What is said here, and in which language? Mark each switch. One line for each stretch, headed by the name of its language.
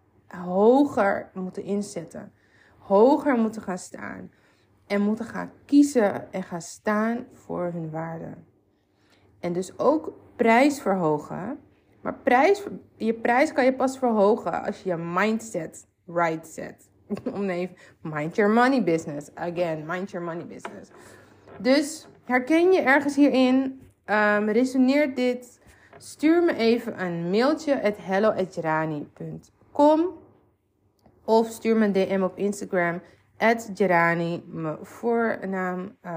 Dutch: Hoger moeten inzetten. Hoger moeten gaan staan. En moeten gaan kiezen en gaan staan voor hun waarden. En dus ook prijs verhogen. Maar prijs, je prijs kan je pas verhogen als je je mindset
English: right set.
Dutch: Om even,
English: mind your money business. Again, mind your money business.
Dutch: Dus herken je ergens hierin? Resoneert dit? Stuur me even een mailtje @hello@gerani.com of stuur me een DM op Instagram @gerani, mijn voornaam.